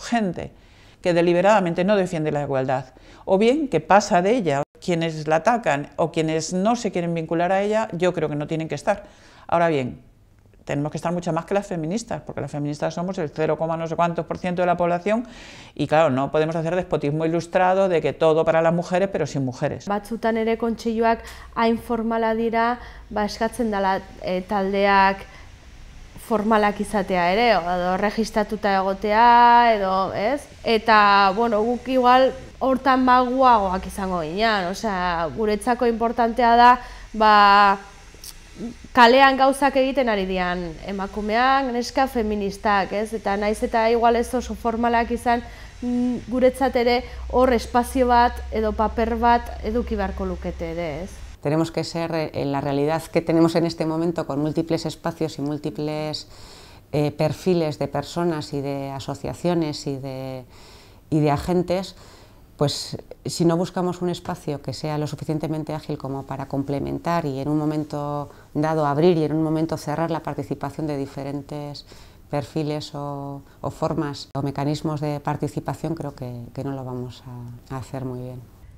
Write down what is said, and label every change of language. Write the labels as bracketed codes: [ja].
[es] Gente que deliberadamente no defiende la igualdad, o bien que pasa de ella, quienes la atacan o quienes no se quieren vincular a ella, yo creo que no tienen que estar. Ahora bien, tenemos que estar mucho más que las feministas, porque las feministas somos el 0,no sé cuántos% de la población, y claro, no podemos hacer despotismo ilustrado de que todo para las mujeres, pero sin mujeres. [eu] Batzutan ere kontseiluak hain formala dira, eskatzen dala taldeak formalak izatea ere, edo registratuta egotea, edo, ez? Eta, bueno, guk igual hortan baguagoak izango ginean, osea, guretzako importantea da, ba, kalean gauzak egiten ari dian emakumean, neska feministak, ez? Eta naiz eta igual ez oso formalak izan, guretzat ere hor espazio bat edo paper bat eduki beharko lukete ere, ez? [es] Tenemos que ser en la realidad que tenemos en este momento con múltiples espacios y múltiples perfiles de personas y de asociaciones y de agentes, pues si no buscamos un espacio que sea lo suficientemente ágil como para complementar y en un momento dado abrir y en un momento cerrar la participación de diferentes perfiles o formas o mecanismos de participación, creo que no lo vamos a hacer muy bien.